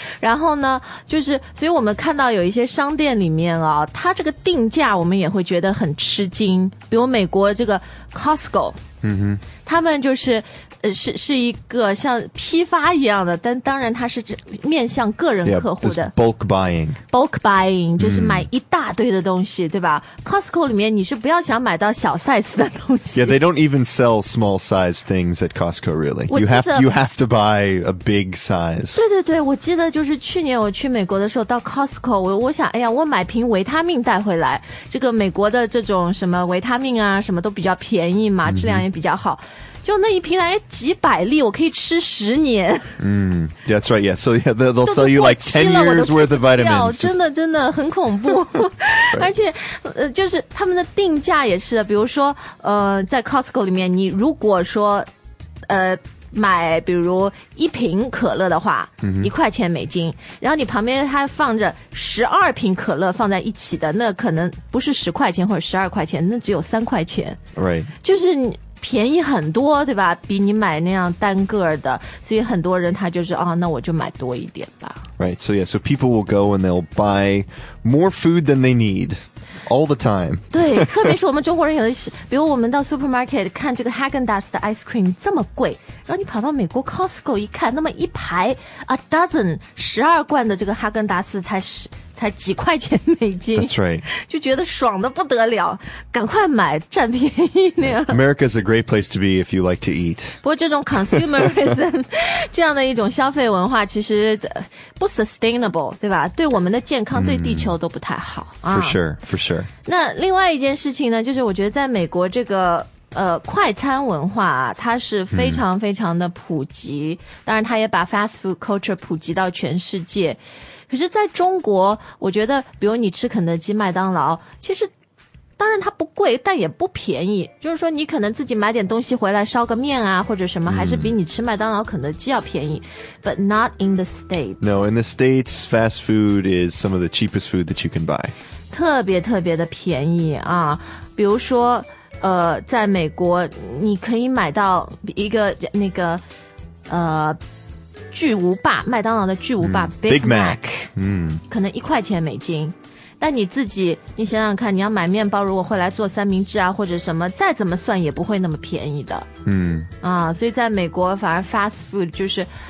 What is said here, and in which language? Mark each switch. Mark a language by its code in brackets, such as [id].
[zh] 然后呢，就是所以我们看到有一些商店里面啊，它这个定价我们也会觉得很吃惊。比如美国这个 Costco， 他们就是是一个像批发一样的，但当然它是面向个人客户的 [en] bulk buying [zh] 就是买一大堆的东西，对吧？ Costco 里面你是不要想买到小 size 的东西。 [en] Yeah, they don't even sell small size things at Costco really. You have to buy a big size. [zh] 对对对，我记得就是去年我去美国的时候到 Costco， 我想哎呀，我买瓶维他命带回来，这个美国的这种什么维他命啊什么都比较便宜嘛，质量也比较好，就那一瓶来几百粒，我可以吃十年。 [en] That's right. Yeah. So yeah, they'll sell you like 10 years worth of vitamins. [zh] 真的真的很恐怖。 [en] Right. [zh] 而且，就是他们的定价也是，比如说，在 Costco 里面，你如果说，买比如一瓶可乐的话，一块钱美金，然后你旁边它放着12瓶可乐放在一起的，那可能不是10块钱或者12块钱，那只有3块钱。 [en] Right. [zh] 就是你。便宜很多，对吧？比你买那样单个的，所以很多人他就是啊，那我就买多一点吧。 [en] Right, so yeah, so people will go and they'll buy more food than they need all the time. [zh] 对，特别是我们中国人有的是，比如我们到 supermarket 看这个 Häagen-Dazs 的 ice cream 这么贵，然后你跑到美国 Costco 一看，那么一排 12罐的这个 Häagen-Dazs 才几块钱美金。 [en] That's right. [zh] 就觉得爽得不得了，赶快买，占便宜那样。 [en] America is a great place to be if you like to eat. [zh] 不过这种 consumerism 这样的一种消费文化其实不 sustainable, 对吧？对我们的健康，对地球都不太好。 [en] For sure, for sure. [zh] 那另外一件事情呢，就是我觉得在美国这个快餐文化啊，它是非常非常的普及，当然它也把 [en] fast food culture [zh] 普及到全世界。可是在中国，我觉得比如你吃肯德基、麦当劳，其实当然它不贵，但也不便宜。就是说你可能自己买点东西回来烧个面啊或者什么，还是比你吃麦当劳、肯德基要便宜。 [en] But not in the States. No, in the States, fast food is some of the cheapest food that you can buy. [zh] 特别特别的便宜啊。比如说在美国你可以买到一个那个巨无霸，麦当劳的巨无霸 [en] Big Mac [zh] 可能1块钱美金，但你自己你想想看，你要买面包，如果回来做三明治啊或者什么，再怎么算也不会那么便宜的。所以在美国反而 fast food 就是